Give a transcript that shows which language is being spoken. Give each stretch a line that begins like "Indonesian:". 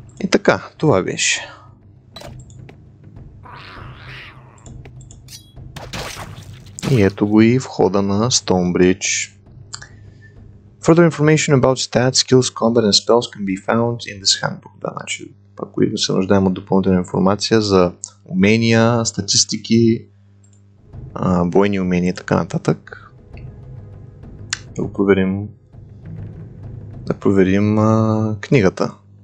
Bulgarian: Така, това беше. И ето го и входа на Stonebridge.
English: Further information about stats, skills, combat and spells can be found in this handbook.
Bulgarian: Да, значи, ако се нуждаем от допълнителна информация за умения, статистики, бойни умения и така нататък. Да проверим. Да проверим книгата.